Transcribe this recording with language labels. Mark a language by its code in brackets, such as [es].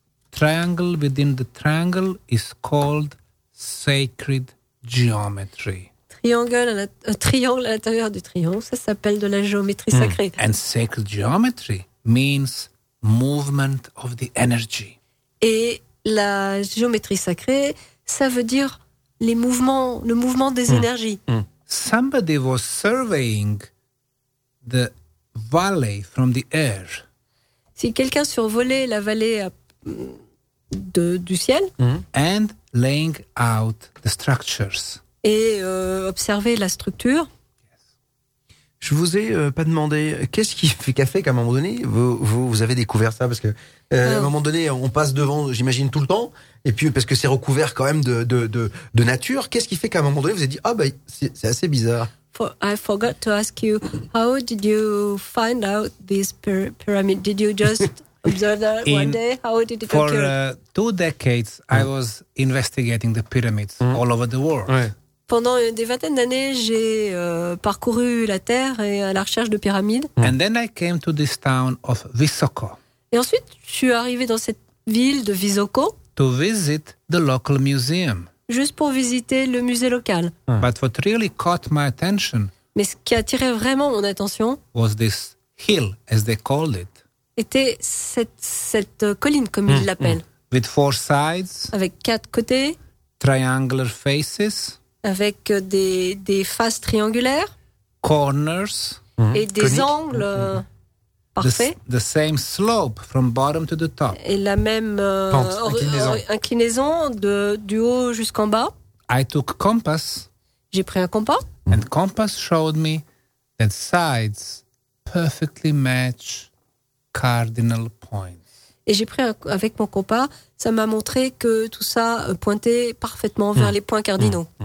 [en] Triangle within the triangle is called sacred geometry. [fr] Triangle à l'intérieur du triangle, ça s'appelle de la géométrie sacrée. [en] And sacred geometry means movement of the energy. [fr] Et la géométrie sacrée, ça veut dire les mouvements, le mouvement des énergies. [en] Somebody was surveying the valley from the air. [fr] Si quelqu'un survolait la vallée du ciel. [en] And laying out the structures. [fr] Et observer la structure. Je vous ai pas demandé qu'est-ce qui a fait qu'à un moment donné vous avez découvert ça, parce que à un moment donné on passe devant, j'imagine, tout le temps, et puis parce que c'est recouvert quand même de nature, qu'est-ce qui fait qu'à un moment donné vous avez dit c'est assez bizarre. [en] I forgot to ask you, how did you find out this pyramid? Did you just observe that one day? How did it occur? For two decades, I was investigating the pyramids all over the world. [fr] Ouais. Pendant des vingtaines d'années, j'ai parcouru la Terre et à la recherche de pyramides. [en] And then I came to this town of Visoko. [fr] Et ensuite, je suis arrivé dans cette ville de Visoko. [en] To visit the local museum. [fr] Juste pour visiter le musée local. [en] But what really caught my attention. [fr] Mais ce qui attirait vraiment mon attention. [en] Was this hill, as they called it. [fr] Était cette colline, comme ils l'appellent. [en] With four sides. [fr] Avec quatre côtés. [en] Triangular faces. [fr] Avec des faces triangulaires. [en] Corners. [fr] Et des angles parfaits. [en] The same slope from bottom to the top. [fr] Et la même inclinaison du haut jusqu'en bas. [en] I took compass. [fr] J'ai pris un compas. [en] And compass showed me that sides perfectly match cardinal points. [fr] Et j'ai pris avec mon compas, ça m'a montré que tout ça pointait parfaitement vers les points cardinaux.